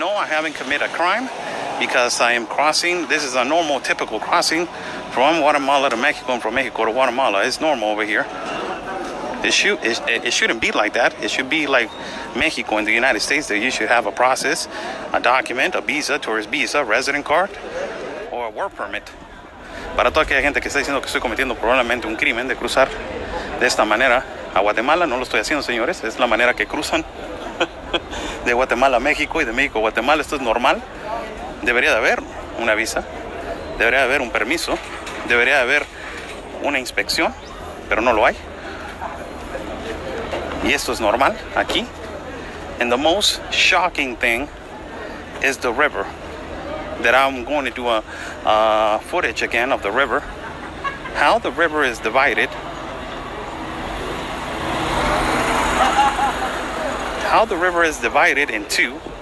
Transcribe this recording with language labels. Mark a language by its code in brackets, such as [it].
[en] No, I haven't committed a crime, because I am crossing. This is a normal, typical crossing from Guatemala to Mexico and from Mexico to Guatemala. It's normal over here. It shouldn't be like that. It should be like Mexico in the United States, that you should have a process, a document, a visa, tourist visa, resident card, or a work permit. [es] para toda aquella gente que está diciendo que estoy cometiendo probablemente un crimen de cruzar de esta manera a Guatemala, no lo estoy haciendo, señores, es la manera que cruzan de Guatemala a México y de México a Guatemala. Esto es normal. Debería de haber una visa, debería de haber un permiso, debería de haber una inspección, pero no lo hay. Y esto es normal aquí. [en] And the most shocking thing is the river. That I'm going to do a footage again of the river. How the river is divided. How the river is divided in two.